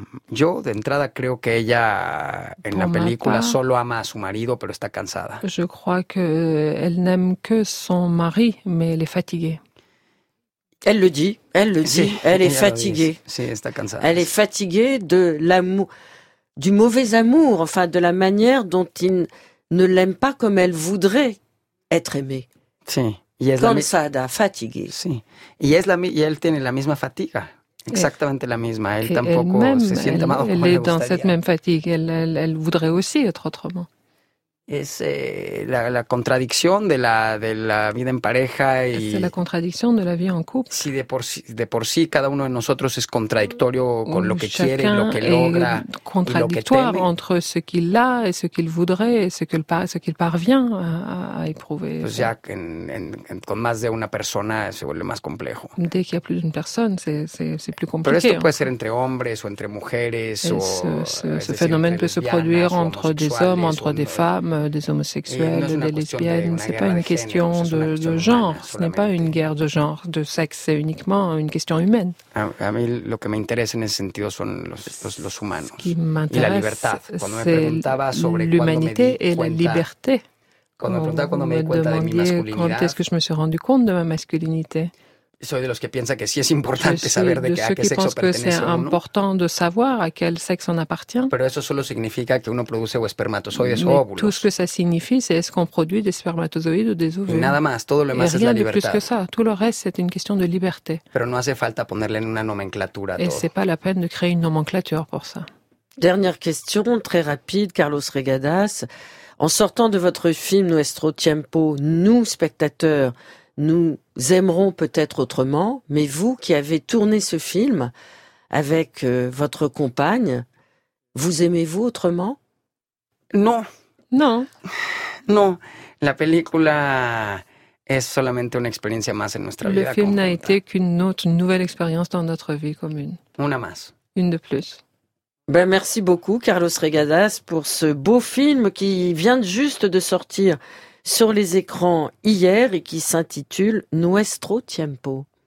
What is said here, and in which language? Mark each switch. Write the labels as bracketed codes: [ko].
[es] Yo, de entrada, creo que ella, en la película, solo ama a su marido, pero está cansada. [fr] Je crois qu'elle n'aime que son mari, mais elle est fatiguée. Elle le dit. Elle est fatiguée. Elle est fatiguée de l'amour, du mauvais amour, enfin de la manière dont il ne l'aime pas comme elle voudrait être aimée. [es] Sí. Cansada, [fr] fatiguée. [es] Sí. Y elle tiene la misma fatiga. Exactamente la misma. Elle tampoco se siente mal [fr] comme elle voudrait. Elle est dans cette même fatigue. Elle voudrait aussi être autrement. [es] Es la contradicción de la vida en pareja y [fr] c'est la contradiction de la vie en couple. [es] Si de por sí cada uno de nosotros es contradictorio con lo que quiere, lo que logra, [fr] contradictoire entre ce qu'il a et ce qu'il voudrait et ce qu'il parvient à éprouver. [es] Pues ya en con más de una persona se vuelve más complejo. [fr] Dès qu'il y a plus d'une personne, c'est plus compliqué. [es] Pero esto puede ser entre hombres o entre mujeres [fr] et ce phénomène peut se produire entre des hommes, entre des femmes, des homosexuels, des lesbiennes, ce n'est pas une question de genre, ce n'est pas une guerre de genre, de sexe, c'est uniquement une question humaine. [es] A mí lo que me interesa en ese sentido son los humanos. [fr] Ce qui m'intéresse, c'est l'humanité et la liberté. Quand me demandiez quand est-ce que je me suis rendu compte de ma masculinité. [es] Soy de los que piensa que sí es importante saber de qué sexo pertenece uno. [fr] Je pense que c'est important de savoir à quel sexe on appartient. [es] Pero eso solo significa que uno produce espermatozoides o óvulos. [fr] Tout ce que ça signifie, c'est est-ce qu'on produit des spermatozoïdes ou des ovules. [es] Y nada más, todo lo demás es la libertad. [fr] Rien de plus que ça. Tout le reste, c'est une question de liberté. [es] Pero no hace falta ponerle una nomenclatura a todo. [fr] Et c'est pas la peine de créer une nomenclature pour ça. Dernière question, très rapide, Carlos Regadas. En sortant de votre film Nuestro Tiempo, nous, spectateurs, nous aimerons peut-être autrement, mais vous qui avez tourné ce film avec votre compagne, vous aimez-vous autrement? Non. Non. Non. [es] La película es solamente una experiencia más en nuestra [fr] Le [es] vida. [fr] Le film n'a été qu'une autre, une nouvelle expérience dans notre vie commune. [es] Una más. [fr] Une de plus. Ben, merci beaucoup, Carlos Regadas, pour ce beau film qui vient juste de sortir sur les écrans hier et qui s'intitule Nuestro Tiempo.